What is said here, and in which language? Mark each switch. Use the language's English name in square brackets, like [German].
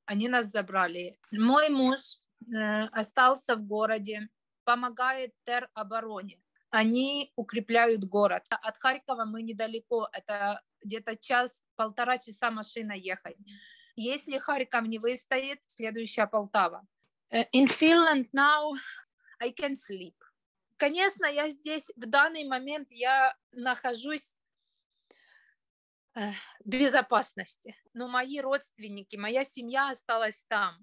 [Russian] Они нас забрали. Мой муж остался в городе, помогает теробороне. Они укрепляют город. От Харькова мы недалеко, это где-то час-полтора часа машина ехать. Если Харьков не выстоит, следующая Полтава. [English] In Finland now I can sleep. [Russian] Конечно, я здесь в данный момент я нахожусь в безопасности. Но мои родственники, моя семья осталась там.